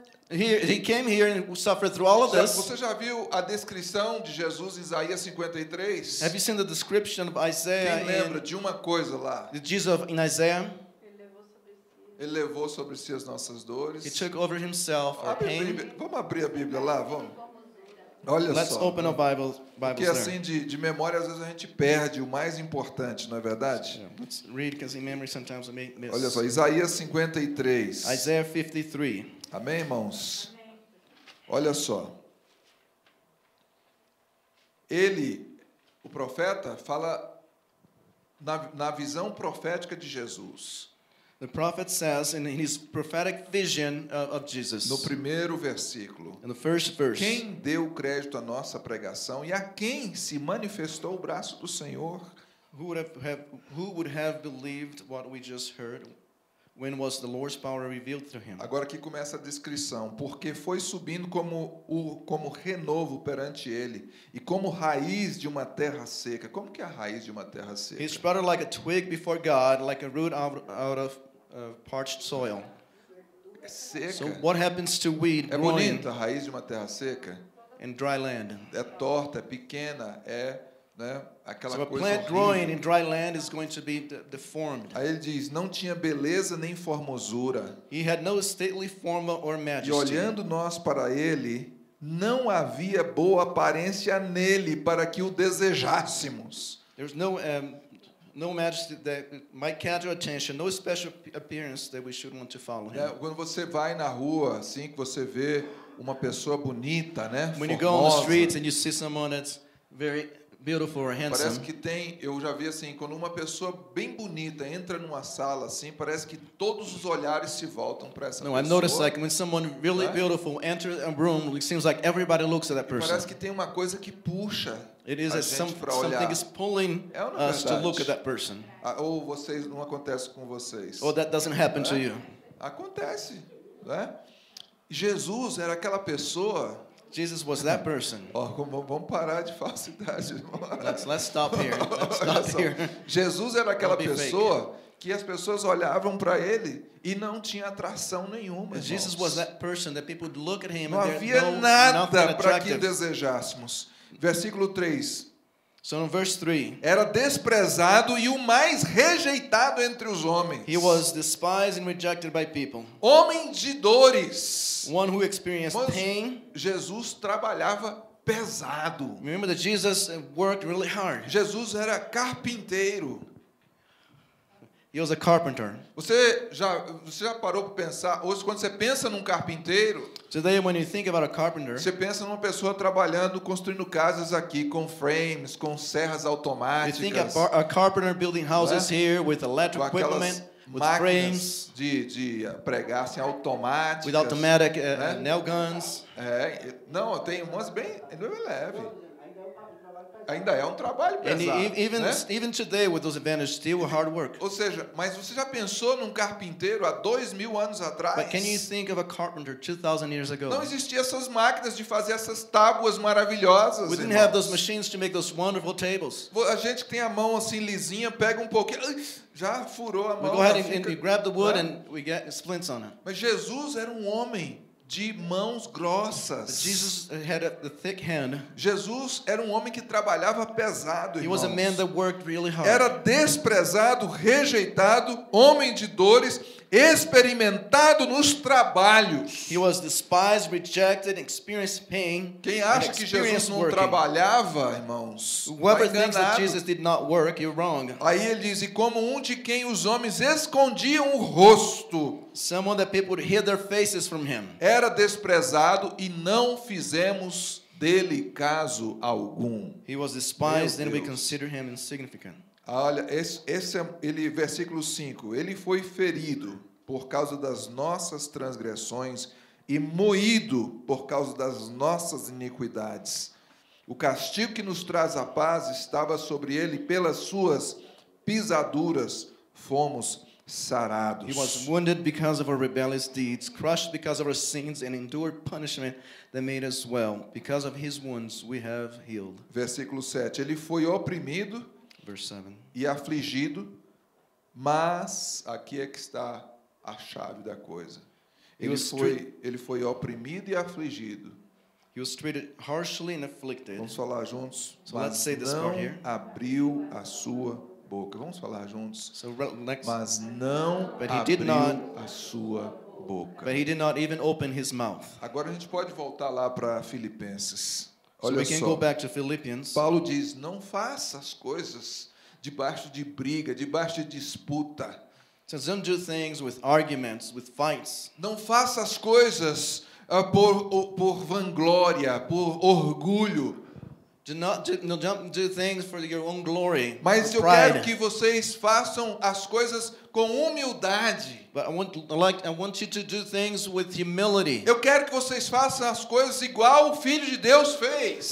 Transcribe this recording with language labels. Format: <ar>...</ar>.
<en>He came here and suffered through all of this.</en> <pt>Você já viu a descrição de Jesus em Isaías 53?</pt> <en>Have you seen the description of Isaiah?</en> <pt>Quem lembra de uma coisa lá?</pt> <en>Jesus in Isaiah.</en> <pt>Ele levou sobre si as nossas dores.</pt> <en>He took over himself our pain.</en> <pt>Vamos abrir a Bíblia lá, vamos. Olha só.</pt> <en>Let's open our Bible.</en> <pt>Porque assim de memória às vezes a gente perde o mais importante, não é verdade?</pt> <en>Let's read, because in memory sometimes we miss.</en> <pt>Olha só, Isaías 53.</pt> <en>Isaiah 53.</en> <pt>Amém, irmãos? Olha só. Ele, o profeta, fala na visão profética de Jesus.</pt> <en>The prophet says in his prophetic vision of Jesus.</en> <pt>No primeiro versículo.</pt> <en>In the first verse.</en> <pt>Quem deu crédito à nossa pregação e a quem se manifestou o braço do Senhor?</pt> <en>Who would have believed what we just heard? When was the Lord's power revealed to him?</en> <pt>Agora aqui começa a descrição. Porque foi subindo como renovo perante ele, e como raiz de uma terra seca. Como que é a raiz de uma terra seca?</pt> <en>He sprouted like a twig before God, like a root out of parched soil.</en> <pt>É seca.</pt> <en>So what happens to weed growing?</en> <pt>É bonita a raiz de uma terra seca?</pt> <en>In dry land.</en> <pt>É torta, é pequena, é... Né? Aquela</pt> <en>so</en> <pt>coisa</pt> <en>a plant growing in dry land is going to be deformed.</en> <pt>Aí ele diz, não tinha beleza nem formosura.</pt> <en>He had no stately form or majesty.</en> <pt>E olhando nós para ele, não havia boa aparência nele para que o desejássemos.</pt> <en>There's no no majesty that might catch your attention, no special appearance that we should want to follow him.</en> <pt>Quando você vai na rua, assim que você vê uma pessoa bonita, né?</pt> <en>When</en> <pt>formosa,</pt> <en>you go on the streets and you see someone that's very beautiful or handsome.</en> <pt>Parece que tem, eu já vi assim, quando uma pessoa bem bonita entra numa sala assim, parece que todos os olhares se voltam para essa pessoa.</pt> <en>No, I noticed like when someone really beautiful enters a room, it seems like everybody looks at that person.</en> <pt>Parece que tem uma coisa que puxa.</pt> <en>It is as something is pulling us to look at that person.</en> <pt>Ou vocês não acontece com vocês.</pt> <en>Or that doesn't happen to you.</en> <pt>Acontece, né? Jesus era aquela pessoa.</pt> <en>Jesus was that person.</en> <pt>Oh, vamos parar de falsidade.</pt> <en>Let's stop here. Let's stop here.</en> <pt>Jesus era aquela pessoa que as pessoas olhavam para ele e não tinha atração nenhuma.</pt> <en>Jesus was that person that people would look at him.</en> <pt>Não havia nada para que desejássemos. Versículo 3.</pt> <en>So in verse 3.</en> <pt>Era desprezado e o mais rejeitado entre os homens.</pt> <en>He was despised and rejected by people.</en> <pt>Homem de dores.</pt> <en>One who experienced pain.</en> <pt>Jesus trabalhava pesado.</pt> <en>Remember that Jesus worked really hard.</en> <pt>Jesus era carpinteiro.</pt> <en>He was a carpenter.</en> <pt>Você já parou para pensar, hoje quando você pensa num carpinteiro,</pt> <en>today, when you think about a carpenter,</en> <pt>você pensa numa pessoa trabalhando, construindo casas aqui com frames, com serras automáticas.</pt> <en>You think a carpenter building houses here with electric equipment, with frames,</en> <pt>de pregar assim, automáticas.</pt> <en>With automatic nail guns.</en> <pt>Não, tem umas bem, não é leve. Ainda é um trabalho pesado.</pt> <en>And even today with those advantages, still hard work.</en> <pt>Ou seja, mas você já pensou num carpinteiro há 2000 anos atrás?</pt> <en>But can you think of a carpenter 2000 years ago?</en> <pt>Não existia essas máquinas de fazer essas tábuas maravilhosas.</pt> <en>We didn't have those machines to make those wonderful tables.</en> <pt>A gente que tem a mão assim lisinha, pega um pouquinho, já furou a mão.</pt> <en>We go ahead and you grab the wood and we get splints on it.</en> <pt>Mas Jesus era um homem de mãos grossas.</pt> <en>Jesus had a thick hand.</en> <pt>Jesus era um homem que trabalhava pesado, irmãos.</pt> <en>He was a man that worked really hard.</en> <pt>Era desprezado, rejeitado, homem de dores, experimentado nos trabalhos.</pt> <en>He was despised, rejected, experienced pain.</en> <pt>Quem acha que Jesus não trabalhava, irmãos?</pt> <en>Whoever thinks that Jesus did not work, you're wrong.</en> <pt>Aí ele diz, e como um de quem os homens escondiam o rosto.</pt> <en>Someone that people would hid their faces from him.</en> <pt>Era desprezado e não fizemos dele caso algum.</pt> <en>He was despised and we consider him insignificant.</en> <pt>Olha, esse é ele, versículo 5. Ele foi ferido por causa das nossas transgressões e moído por causa das nossas iniquidades. O castigo que nos traz a paz estava sobre ele, pelas suas pisaduras fomos sarados.</pt> <en>He was wounded because of our rebellious deeds, crushed because of our sins, and endured punishment that made us well. Because of his wounds, we have healed.</en> <pt>Versículo 7. Ele foi oprimido</pt> <en>Verse 7.</en> <pt>E afligido, mas aqui é que está a chave da coisa. Ele foi oprimido e afligido.</pt> <en>He was treated harshly and afflicted.</en> <pt>Vamos falar juntos.</pt> <en>So let's say this part here.</en> <pt>Abriu a sua boca. Vamos falar juntos.</pt> <en>So relax.</en> <pt>Mas não abriu a sua boca.</pt> <en>But he did not even open his mouth.</en> <pt>Agora a gente pode voltar lá para Filipenses. Olha só.</pt> <en>So we can go back to Philippians.</en> <pt>Paulo diz: "Não faça as coisas debaixo de briga, debaixo de disputa."</pt> <en>So don't do things with arguments, with fights.</en> <pt>Não faça as coisas por vanglória, por orgulho.</pt> <en>Do not do things for your own glory.</en> <pt>Mas eu quero que vocês façam as coisas com humildade.</pt> <en>But I want you to do things with humility.</en> <pt>Eu quero que vocês façam as coisas igual o Filho de Deus fez.</pt>